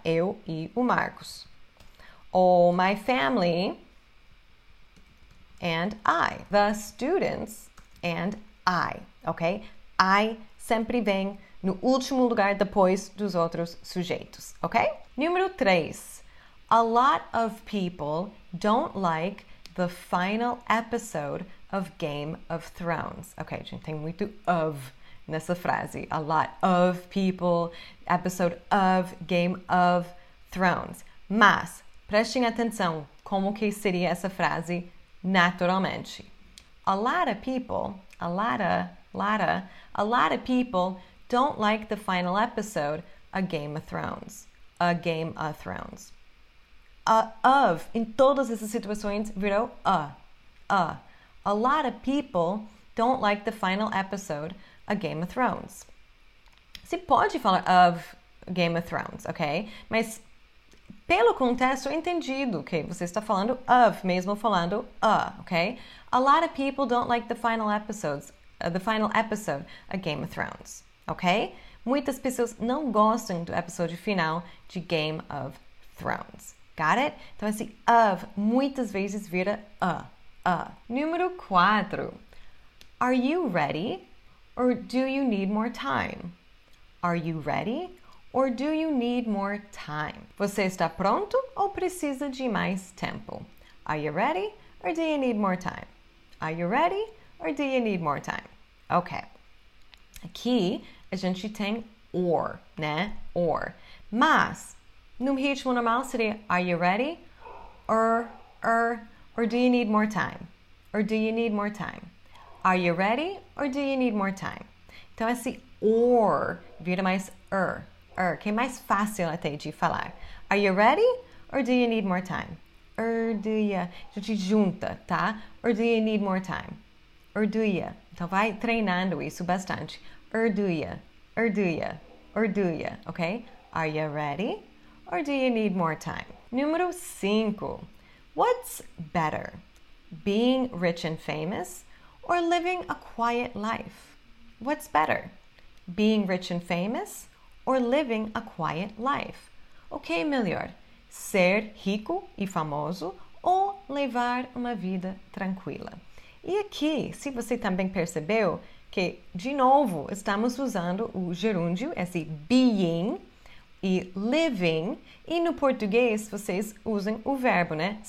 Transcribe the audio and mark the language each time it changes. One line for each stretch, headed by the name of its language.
Portuguese: Eu e o Marcos. Ou
English: my family and I. The students and I, ok?
Portuguese: I sempre vem no último lugar depois dos outros sujeitos, ok? Número 3.
English: A lot of people don't like the final episode of Game of Thrones.
Portuguese: Ok, a gente tem muito of nessa frase.
English: A lot of people, episode of Game of Thrones.
Portuguese: Mas, prestem atenção como que seria essa frase naturalmente.
English: A lot of people, a lot of people don't like the final episode of Game of Thrones.
Portuguese: A Game of Thrones. Of, em todas essas situações, virou a.
English: A lot of people don't like the final episode of Game of Thrones.
Portuguese: Você pode falar of Game of Thrones, ok? Mas pelo contexto, eu entendi que você está falando of, mesmo falando a, ok?
English: A lot of people don't like the final episode of Game of Thrones, ok?
Portuguese: Muitas pessoas não gostam do episódio final de Game of Thrones.
English: Got it?
Portuguese: Então, esse of muitas vezes vira a. Número 4.
English: Are you ready or do you need more time? Are you ready or do you need more time?
Portuguese: Você está pronto ou precisa de mais tempo?
English: Are you ready or do you need more time? Are you ready or do you need more time? Ok.
Portuguese: Aqui a gente tem or, né? Or. Mas, num ritmo normal seria:
English: Are you ready? Or do you need more time? Or do you need more time? Are you ready? Or do you need more time?
Portuguese: Então, esse or vira mais que é mais fácil até de falar.
English: Are you ready? Or do you need more time?
Portuguese: A gente junta, tá?
English: Or do you need more time? Or do you?
Portuguese: Então, vai treinando isso bastante.
English: Or do you? Ok? Are you ready? Or do you need more time? Número 5. What's better? Being rich and famous or living a quiet life? What's better? Being rich and famous or living a quiet life?
Portuguese: O que é melhor? Ser rico e famoso ou levar uma vida tranquila? E aqui, se você também percebeu que, de novo, estamos usando o gerúndio, esse being e living, e no português vocês usam o verbo, né?